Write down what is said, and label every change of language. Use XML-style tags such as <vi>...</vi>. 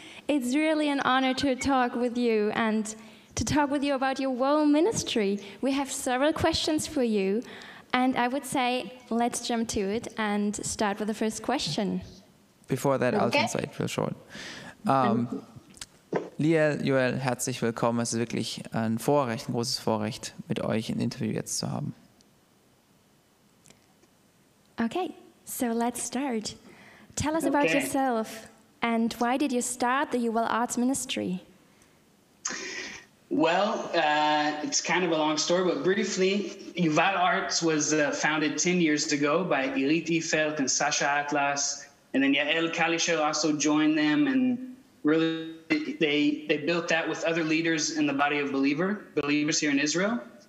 <en>It's really an honor to talk with you and to talk with you about your world ministry. We have several questions for you, and I would say let's jump to it and start with the first question. Before that, okay. I'll translate for short.</en> <de>Liel, Joel, herzlich willkommen. Es ist wirklich ein Vorrecht, ein großes Vorrecht, mit euch ein Interview jetzt zu haben.</de> <en>Okay, so let's start. Tell us about yourself and why did you start the UL Arts Ministry? Well, it's kind of a long story, but briefly, UVAL Arts was founded 10 years ago by Irit Ifelt and Sasha Atlas, and then Yael Kalischer also joined them, and really they built that with other leaders in the body of believers here in Israel.</en>